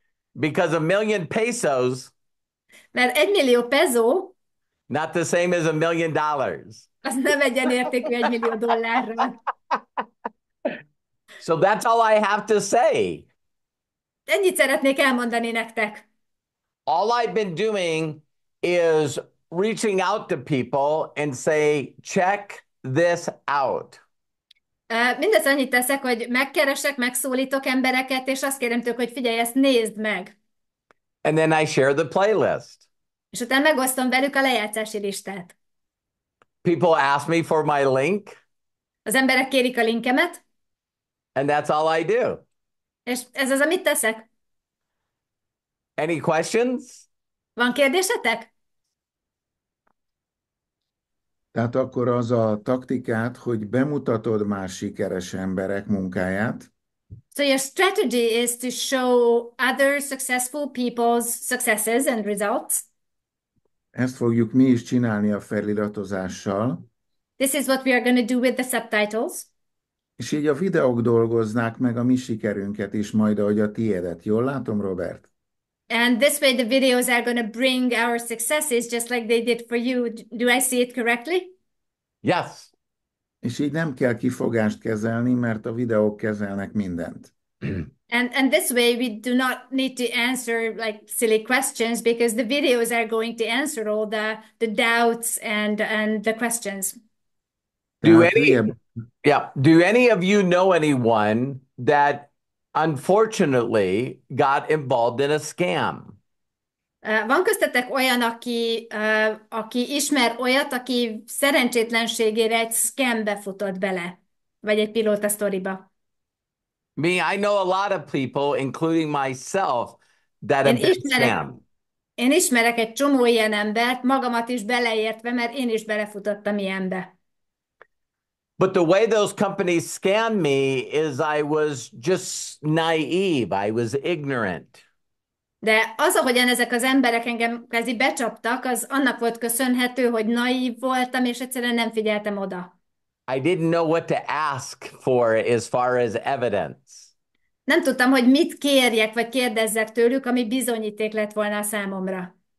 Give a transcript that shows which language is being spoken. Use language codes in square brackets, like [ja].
[en] Because a million pesos. [hu] Mert 1 millió pezó [en] Not the same as $1 million. [hu] az nem egyenértékű 1 millió dollárral. [en] So that's all I have to say. [hu] Ennyit szeretnék elmondani nektek. [en] All I've been doing is reaching out to people and say, check this out. [hu] Mindez annyit teszek, hogy megkeresek, megszólítok embereket, és azt kérem tőlük, hogy figyelj, ezt nézd meg. [en] And then I share the playlist. [hu] És utána megosztom velük a lejátszási listát. [en] People ask me for my link, [hu] Az emberek kérik a linkemet, [en] and that's all I do. [hu] és ez az, amit teszek. [en] Any questions? [hu] Van kérdésetek? Tehát akkor az a taktikát, hogy bemutatod más sikeres emberek munkáját. [en] So your strategy is to show other successful people's successes and results. [hu] Ezt fogjuk mi is csinálni a feliratozással. [en] This is what we are going to do with the subtitles. [hu] És így a videók dolgoznák meg a mi sikerünket is, majd ahogy a tiédet. Jól látom, Robert? [en] And this way the videos are going to bring our successes just like they did for you. Do I see it correctly? Yes. [hu] És így nem kell kifogást kezelni, mert a videók kezelnek mindent. [en] And this way we do not need to answer like silly questions because the videos are going to answer all the doubts and the questions. Do any, yeah, do any of you know anyone that unfortunately got involved in a scam? [hu] Van köztetek olyan, aki ismer olyat, aki szerencsétlenségére egy scambe futott bele, vagy egy pilóta sztoriba? [en] Me, I know a lot of people, including myself, that have [hu] Én [en] been [hu] ismerek [en] scammed. [hu] egy csomó ilyen embert, magamat is beleértve, mert én is belefutottam ilyenbe. [en] But the way those companies scammed me is I was just naive, I was ignorant. [hu] De az, ahogyan ezek az emberek engem kvázi becsaptak, az annak volt köszönhető, hogy naív voltam, és egyszerűen nem figyeltem oda. [en] I didn't know what to ask for as far as evidence. [hu] Nem tudtam, hogy mit kérjek, vagy kérdezzek tőlük, ami bizonyíték lett volna a számomra.